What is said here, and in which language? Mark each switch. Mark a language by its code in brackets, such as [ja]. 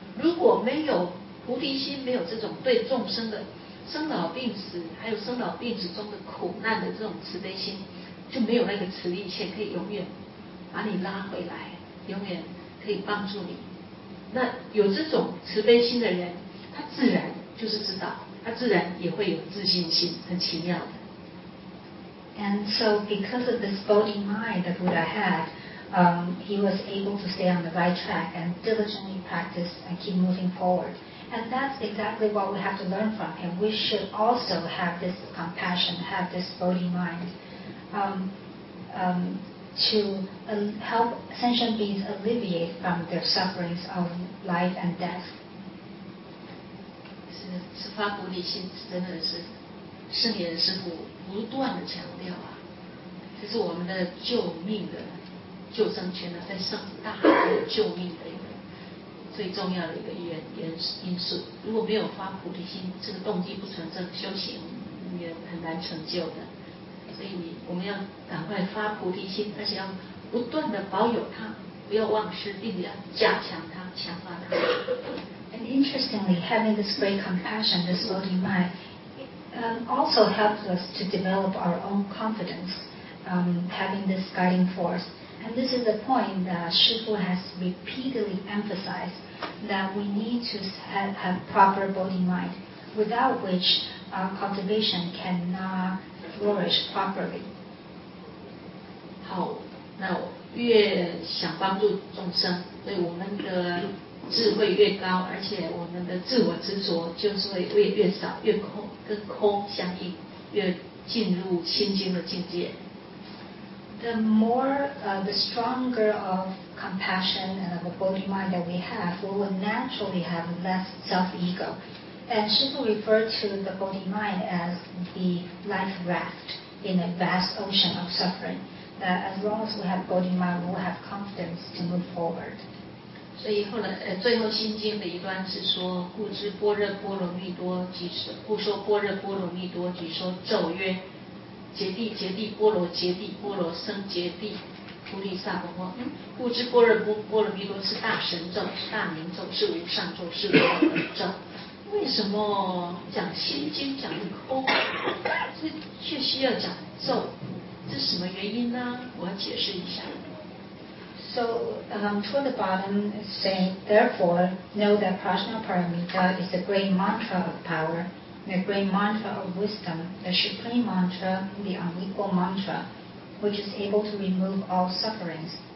[zh] 如果没有菩提心，没有这种对众生的生老病死，还有生老病死中的苦难的这种慈悲心，就没有那个慈力线可以永远把你拉回来，永远可以帮助你。那有这种慈悲心的人，他自然就是知道，他自然也会有自信心，很奇妙的。 [en] And so because of this Bodhi mind the Buddha had, he was able to stay on the right track and diligently practice and keep moving forward. And that's exactly what we have to learn from him. We should also have this compassion, have this Bodhi mind to help sentient beings alleviate from their sufferings of life and death. [zh] 是发菩提心，真的是圣严师父不断的强调啊，这是我们的救命的救生圈呢，在上大海救命的一个最重要的一个因素。如果没有发菩提心，这个动机不存在，修行也很难成就的。所以我们要赶快发菩提心，而且要不断的保有它，不要忘失，并且要加强它，强化它。 [en] And interestingly, having this great compassion, this Bodhi mind. Also helps us to develop our own confidence, having this guiding force. And this is a point that Shifu has repeatedly emphasized, that we need to have proper Bodhi mind, without which our cultivation cannot flourish properly. [zh] 好，那越想帮助众生，对我们的智慧越高，而且我们的自我执着就是会越少，越空，跟空相应，越进入心经的境界。 [en] The more, the stronger of compassion and of a Bodhi mind that we have, we will naturally have less self-ego. And Shifu referred to the Bodhi mind as the life raft in a vast ocean of suffering. That as long as we have Bodhi mind, we will have confidence to move forward. [zh] 所以后来，最后心经的一段是说，故知般若波罗蜜多即说，故说般若波罗蜜多即说咒曰，揭谛揭谛波罗揭谛波罗僧揭谛，菩提萨婆诃。故知般若波罗蜜多是大神咒，是大明咒，是无上咒，是无上咒。为什么讲心经讲的空，这却需要讲咒？这什么原因呢？我要解释一下。 [en] So, toward the bottom, it's saying, therefore, know that Prajnaparamita is the great mantra of power, the great mantra of wisdom, the supreme mantra, the unequal mantra, which is able to remove all sufferings.